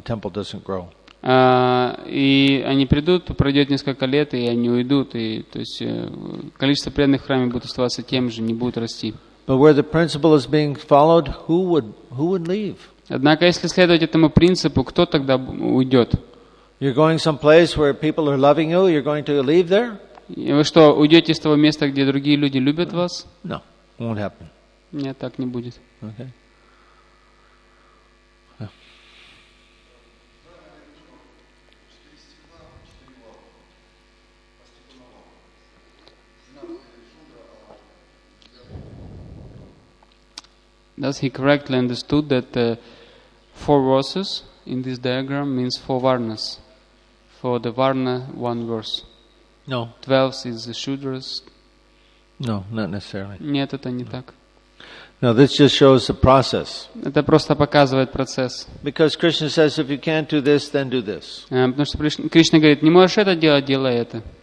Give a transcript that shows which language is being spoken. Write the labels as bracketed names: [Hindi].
[English] The temple doesn't grow. [Russian] И они придут, пройдет несколько лет, и они уйдут, и то есть количество преданных в храме будет оставаться тем же, не будет расти. [English] But where the principle is being followed, who would leave? [Russian] Однако, если следовать этому принципу, кто тогда уйдет? [English] You're going someplace where people are loving you. You're going to leave there? [Russian] Вы что, уйдете с того места, где другие люди любят вас? [English] No, won't happen. [Russian] Нет, так не будет. [English] Okay. Does he correctly understood that four verses in this diagram means four varnas? For the Varna, one verse. No. 12 is the Shudras. No, not necessarily. [Russian] Нет, это не так. [English] No, this just shows the process. [Russian] Это просто показывает процесс. [English] Because Krishna says, if you can't do this, then do this. [Russian] Потому что Кришна говорит, не можешь это делать, делай это.